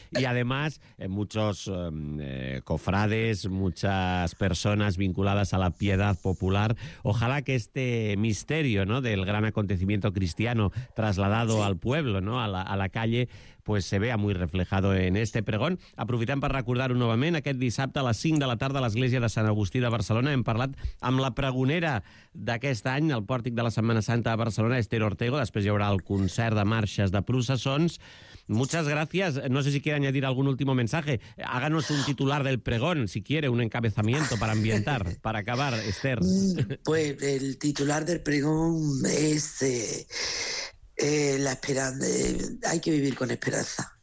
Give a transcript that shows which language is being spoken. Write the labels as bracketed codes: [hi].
[es] Y además, muchos cofrades, muchas personas vinculadas a la piedad popular. Ojalá que este misterio, ¿no?, del gran acontecimiento cristiano trasladado, sí, al pueblo, ¿no?, a la calle, pues se vea muy reflejado en este pregón. [ca] Aprofitem per recordar-ho novament. Aquest dissabte a les 5 de la tarda a l'Església de Sant Agustí de Barcelona hem parlat amb la pregonera d'aquest any al pòrtic de la Setmana Santa de Barcelona, Esther Ortego. Després hi haurà el concert de marxes de processons. [es] Muchas gracias. No sé si quiere añadir algún último mensaje. Háganos un titular del pregón, si quiere, un encabezamiento para ambientar, para acabar, Esther. Pues el titular del pregón es... la esperanza, hay que vivir con esperanza.